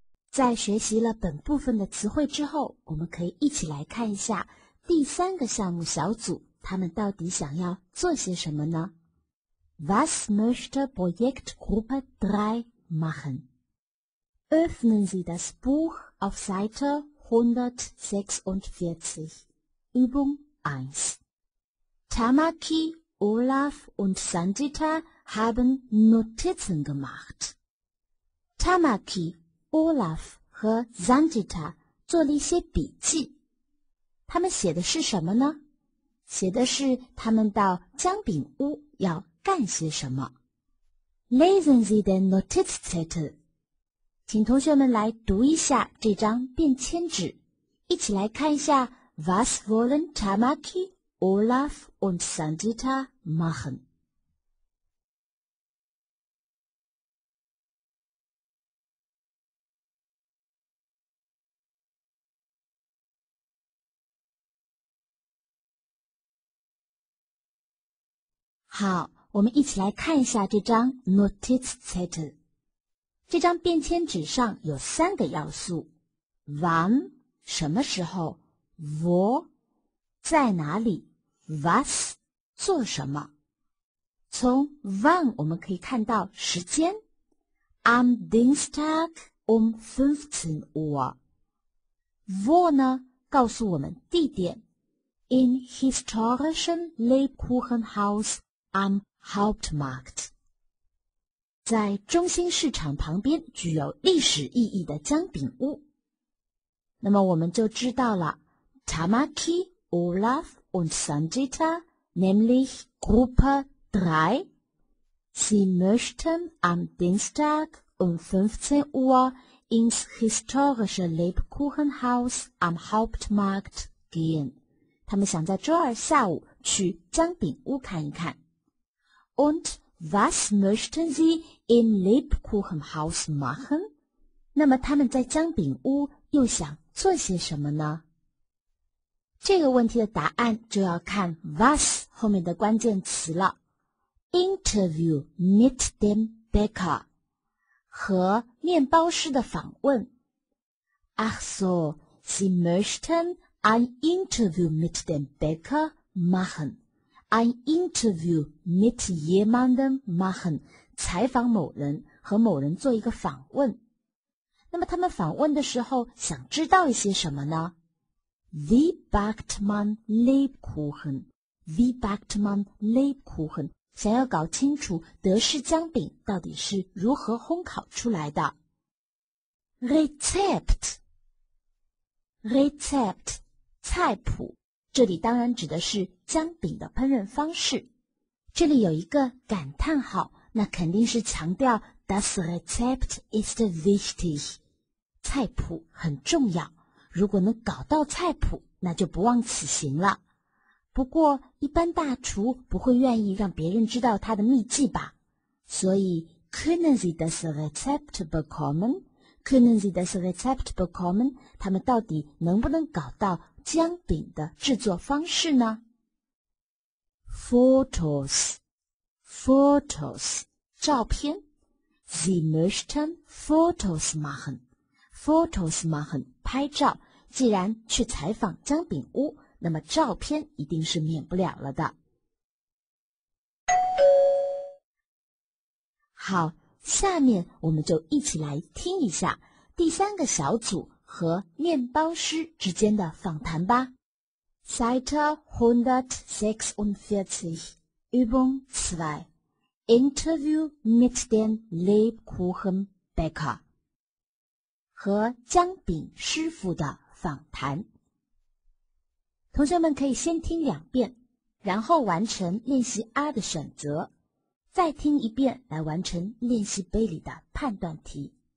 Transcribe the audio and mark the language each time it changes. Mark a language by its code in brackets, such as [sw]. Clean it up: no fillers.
[zh] 在学习了本部分的词汇之后，我们可以一起来看一下第三个项目小组，他们到底想要做些什么呢？ [de] Was möchte Projektgruppe 3 machen? Öffnen Sie das Buch auf Seite 146. Übung 1. Tamaki, Olaf und Sandita haben Notizen gemacht. [zh] Tamaki,Olaf 和 Sandita 做了一些笔记。他们写的是什么呢？写的是他们到姜饼屋要干些什么。 [de] Lesen Sie den Notizzettel. [zh] 请同学们来读一下这张便签纸，一起来看一下 [de] Was wollen Tamaki, Olaf und Sanjita machen? [zh] 好，我们一起来看一下这张 Notizzettel。这张便签纸上有三个要素 ：wann（ 什么时候）、wo（ 在哪里）、was（ 做什么）。从 wann 我们可以看到时间 ： [de] am Dienstag um 15 Uhr。 [zh] wo 呢，告诉我们地点 ： [de] in historischen Lebkuchenhaus am Hauptmarkt。 [zh] 在中心市场旁边具有历史意义的姜饼屋。那么我们就知道了 [de] Tamaki, Olaf und Sanjita, nämlich Gruppe 3, sie möchten am Dienstag um 15 Uhr ins historische Lebkuchenhaus am Hauptmarkt gehen. [zh] 他们想在周二下午去姜饼屋看一看。 [de] Und was möchten sie im Lebkuchenhaus machen? [zh] 那么他们在姜饼屋又想做些什么呢？这个问题的答案就要看 was 后面的关键词了。 [de] Interview mit dem Bäcker [zh] 和面包师的访问。 [de] Ach so, sie möchten ein Interview mit dem Bäcker machen. An interview mit jemandem machen, [zh] 采访某人和某人做一个访问。那么他们访问的时候想知道一些什么呢？ [de] Wie backt man Lebkuchen? Wie backt man Lebkuchen? [zh] 想要搞清楚德式姜饼到底是如何烘烤出来的。 [de] Rezept, Rezept, [zh] 菜谱。这里当然指的是姜饼的烹饪方式。这里有一个感叹号，那肯定是强调 [de] Das Rezept ist wichtig， [zh] 菜谱很重要，如果能搞到菜谱那就不枉此行了。不过一般大厨不会愿意让别人知道他的秘技吧，所以 [de] Können Sie das Rezept bekommen? Können Sie das Rezept bekommen? [zh] 他们到底能不能搞到姜饼的制作方式呢？ [de] Photos, photos, [zh] 照片。 [de] Sie möchten Photos machen, Photos machen, [zh] 拍照。既然去采访姜饼屋，那么照片一定是免不了了的。好，下面我们就一起来听一下第三个小组和面包师之间的访谈吧。 [de] Seite 146 Übung 2 Interview mit dem Lebkuchenbäcker [zh] 和姜饼师傅的访谈。同学们可以先听两遍，然后完成练习 R 的选择，再听一遍来完成练习 B 里的判断题。